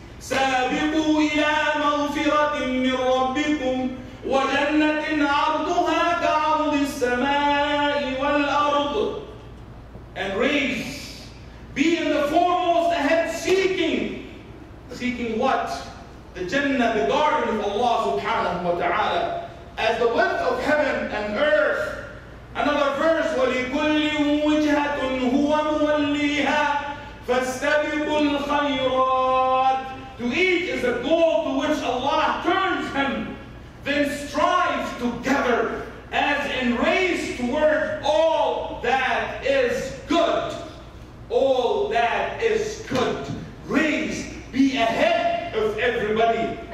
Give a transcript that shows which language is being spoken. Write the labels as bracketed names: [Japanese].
[Arabic] سابقوا إلى مغفرة من ربكم وجنة عرضها كعرض السماء والأرض. [English] And raise. Be in the foremost ahead, seeking. Seeking what? The Jannah, the garden of Allah subhanahu wa ta'ala, as the wealth of heaven and earth. Another verse, [Arabic] وَلِكُلِّ وِجْهَةٌ هُوَ مُوَلِّيهَا فَاسْتَبِقُوا الْخَيْرَاتِ. [English] To each is a goal to which Allah turns him. Then strive together as in race toward all that is good. All that is good. Race, be ahead of everybody.